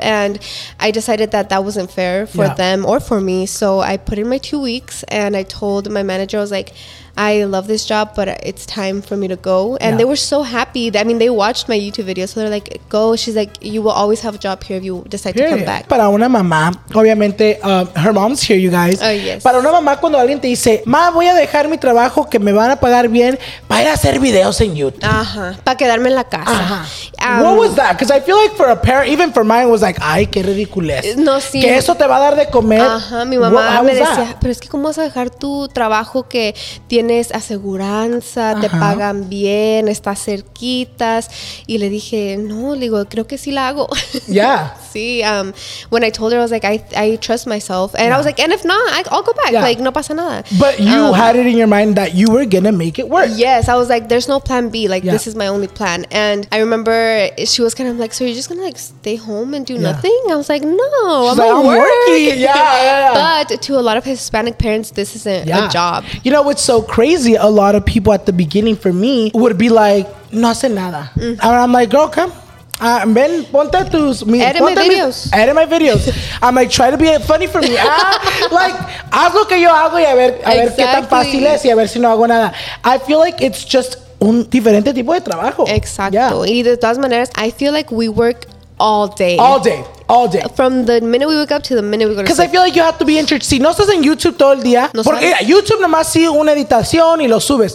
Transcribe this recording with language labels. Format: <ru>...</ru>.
<en>And I decided that wasn't fair for them or for me. So I put in my 2 weeks and I told my manager, I was like, I love this job, but it's time for me to go. And they were so happy. I mean, they watched my YouTube videos. So they're like, go. She's like, you will always have a job here if you decide to come back.</en> <es>Para una mamá, obviamente,</es> <en>her mom's here, you guys. Oh, yes.</en> <es>Para una mamá, cuando alguien te dice, ma, voy a dejar mi trabajo que me van a pagar bien para ir a hacer videos en YouTube. Ajá. Para quedarme en la casa.</es> <en>Ajá. What was that? Because I feel like for a parent, even for mine, was like,</en> <es>ay, qué ridiculez. No, sí. Que eso te va a dar de comer. Ajá. Mi mamá me decía, pero es que cómo vas a dejar tu trabajo que tiene aseguranza, te pagan bien, estás cerquitas. Y le dije, no, le digo, creo que sí la hago.</es> <en>Yeah.</en> <es>Sí.</es> <en>When I told her, I was like, I trust myself. And I was like, and if not, I'll go back.</en> <es>Yeah. Like, no pasa nada.</es> <en>But you had it in your mind that you were gonna make it work. Yes. I was like, there's no plan B. Like, this is my only plan. And I remember she was kind of like, so you're just gonna like stay home and do nothing? I was like, no. I'm working. Yeah. But to a lot of Hispanic parents, this isn't a job. You know, it's so crazy, a lot of people at the beginning for me would be like,</en> <es>no hace nada.</es> <en>Mm-hmm. And I'm like, girl, come. Ben,</en> <es>ponte tus</es> <en>videos. Edit my videos. I'm like, try to be funny for me.</en> <es>like, haz lo que yo hago y a ver qué tan fácil es y a ver si no hago nada.</es> <en>I feel like it's just</en> <es>un diferente tipo de trabajo. Exacto.</es> <en>Yeah.</en> <es>Y de todas maneras,</es> <en>I feel like we work All day. From the minute we wake up to the minute we go to sleep. Because I feel like you have to be interested.</en> <es>Si no estás en YouTube todo el día. No, porque sabes. YouTube nomás sigue una editación y lo subes.</es>